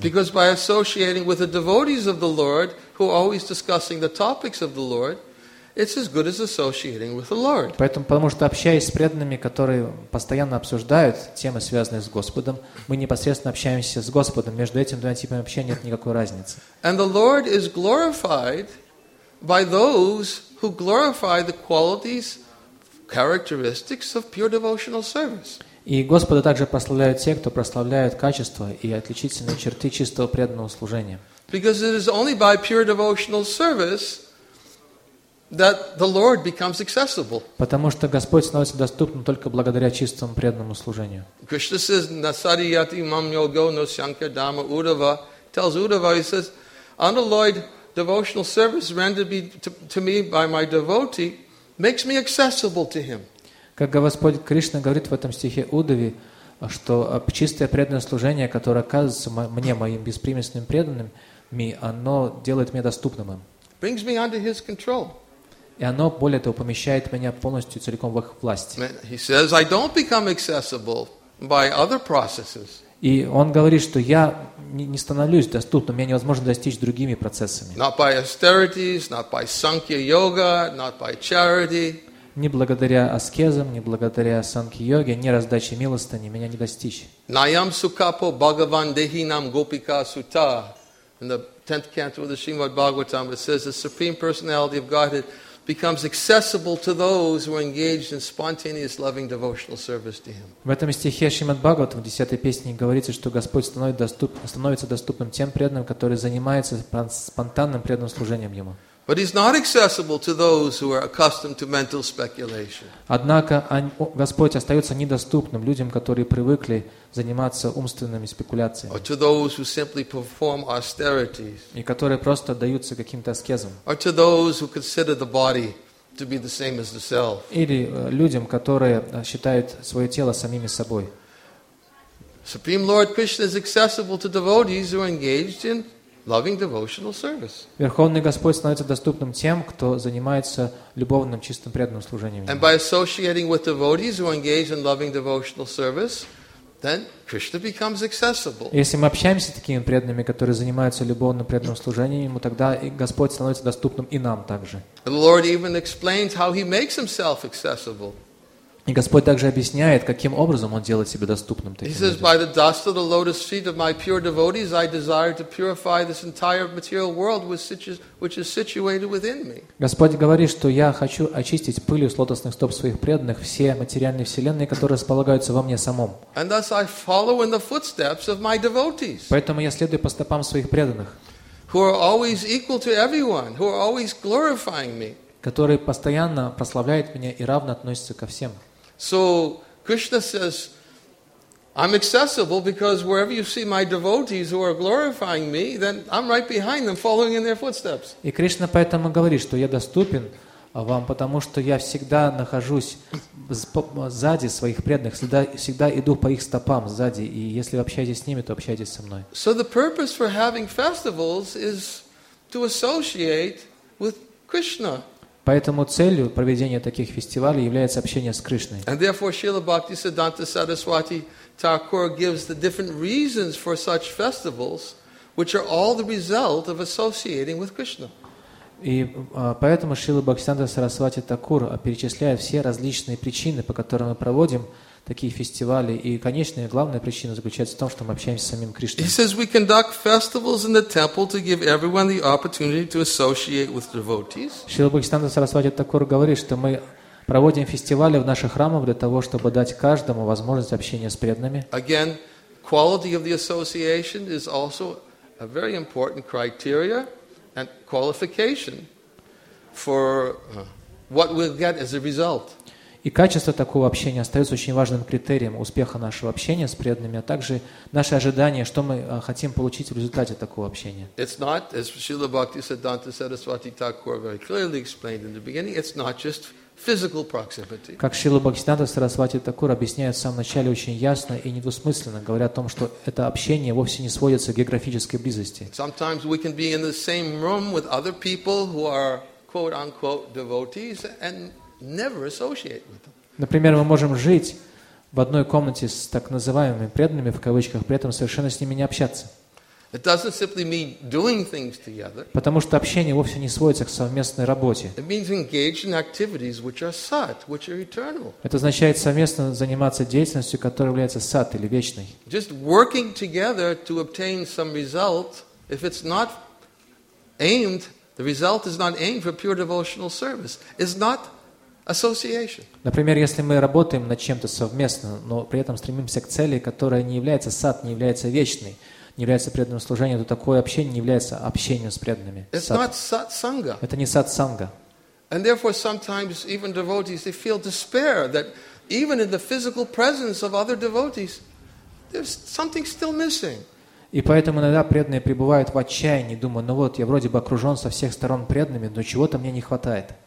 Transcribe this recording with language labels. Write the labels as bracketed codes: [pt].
[en] Because by associating with the devotees of the Lord, who are always discussing the topics of the Lord, it's as good as associating with the Lord. [ru] Поэтому, потому что общаясь с преданными, которые постоянно обсуждают темы, связанные с Господом, мы непосредственно общаемся с Господом. Между этими двумя типами общения нет никакой разницы. [en] And the Lord is glorified by those who glorify the qualities, characteristics of pure devotional service. [ru] И Господа также прославляют те, кто прославляют качества и отличительные черты чистого преданного служения. [en] Because it is only by pure devotional service that the Lord becomes accessible. [ru] Потому что Господь становится доступным только благодаря чистому преданному служению. [en] Krishna says, [sa] "Nasadi yati mam yogo no shankar dhamma Uddhava." [en] Tells Uddhava, he says, "Unalloyed devotional service rendered to me by my devotee makes me accessible to him." [ru] Как Господь Кришна говорит в этом стихе Уддхаве, что чистое преданное служение, которое оказывается мне моим беспримесным преданным, оно делает меня доступным им. [en] Brings me under his control. [ru] И оно, более того, помещает меня полностью целиком в их власти. [en] He says, I don't become accessible by other processes. [ru] И он говорит, что я не становлюсь доступным, меня невозможно достичь другими процессами. [en] Not by austerities, not by sankhya yoga, not by charity. [ru] Не благодаря аскезам, не благодаря санкхья йоге, не раздаче милостыни меня не достичь. [sa] Nayam sukapo bhagavan dehinam gopika sutta. [en] In the 10th canto of the Srimad Bhagavatam, it says the Supreme Personality of Godhead becomes accessible to those who are engaged in spontaneous loving devotional service to Him. [ru] В этом стихе Шримад Бхагаватам, в 10-й песне, говорится, что Господь становится доступным тем преданным, которые занимаются спонтанным преданным служением Ему. [en] But He's not accessible to those who are accustomed to mental speculation. [ru] Однако Господь остается недоступным людям, которые привыкли заниматься умственными спекуляциями. [en] Or to those who simply perform austerities. [ru] И которые просто отдаются каким-то аскезам. [en] Or to those who consider the body to be the same as the self. [ru] Или людям, которые считают свое тело самими собой. [en] Supreme Lord Krishna is accessible to devotees who are engaged in loving devotional service. [ru] Верховный Господь становится доступным тем, кто занимается любовным, чистым, преданным служением. [en] And by associating with devotees who engage in loving devotional service, then Krishna becomes accessible. [ru] Если мы общаемся с такими преданными, которые занимаются любовным, преданным служением, ему тогда Господь становится доступным и нам также. [en] The Lord even explains how He makes Himself accessible. [ru] И Господь также объясняет, каким образом Он делает себя доступным таким людям. [en] He says, "By the dust of the lotus feet of my pure devotees, I desire to purify this entire material world which is situated within me." [ru] Господь говорит, что я хочу очистить пылью с лотосных стоп своих преданных все материальные вселенные, которые располагаются во мне самом. [en] And thus I follow in the footsteps of my devotees. [ru] Поэтому я следую по стопам своих преданных. [en] Who are always equal to everyone, who are always glorifying me. [ru] Который постоянно прославляет меня и равно относится ко всем. [en] So Krishna says, I'm accessible because wherever you see my devotees who are glorifying me, then I'm right behind them, following in their footsteps. [ru] И Кришна поэтому говорит, что я доступен вам, потому что я всегда нахожусь сзади своих преданных, всегда иду по их стопам сзади, и если вы общаетесь с ними, то общайтесь со мной. [en] So the purpose for having festivals is to associate with Krishna. [ru] Поэтому целью проведения таких фестивалей является общение с Кришной. [en] And therefore Srila Bhakti Siddhanta Saraswati Thakur gives the different reasons for such festivals, which are all the result of associating with Krishna. [ru] И поэтому Шрила Бхактисиддханта Сарасвати Такур перечисляет все различные причины, по которым мы проводим такие фестивали, и конечная главная причина заключается в том, что мы общаемся с самим Кришной. [en] He says we conduct festivals in the temple to give everyone the opportunity to associate with devotees. [ru] Шрила Бхактисиддханта Сарасвати Такур говорит, что мы проводим фестивали в наших храмах для того, чтобы дать каждому возможность общения с преданными. [en] Again, quality of the association is also a very important criteria and qualification for what we'll get as a result. [ru] И качество такого общения остается очень важным критерием успеха нашего общения с преданными, а также наши ожидания, что мы хотим получить в результате такого общения. [en] It's not, as Srila Bhakti Siddhanta Saraswati Thakur very clearly explained in the beginning, it's not just physical proximity. [ru] Как Шрила Бхактисиддханта Сарасвати Такур объясняет в самом начале очень ясно и недвусмысленно, говоря о том, что это общение вовсе не сводится к географической близости. [en] Sometimes we can be in the same room with other people who are quote-unquote devotees and never associate with them. [ru] Например, мы можем жить в одной комнате с так называемыми преданными, в кавычках, при этом совершенно с ними не общаться. [en] It doesn't simply mean doing things together. [ru] Потому что общение вовсе не сводится к совместной работе. [en] It means engage in activities which are sat, which are eternal. [ru] Это означает совместно заниматься деятельностью, которая является сат или вечной. [en] Just working together to obtain some result, if it's not aimed, the result is not aimed for pure devotional service. It's not association. [ru] Например, если мы работаем над чем-то совместно, но при этом стремимся к цели, которая не является сат, не является вечной, не является преданным служением, то такое общение не является общением с преданными. Это не сат-санга. [en] And therefore, sometimes even devotees, they feel despair that even in the physical presence of other devotees, there's something still missing. [ru] И поэтому иногда преданные пребывают в отчаянии, думая, ну вот, я вроде бы окружен со всех сторон преданными, но чего-то мне не хватает.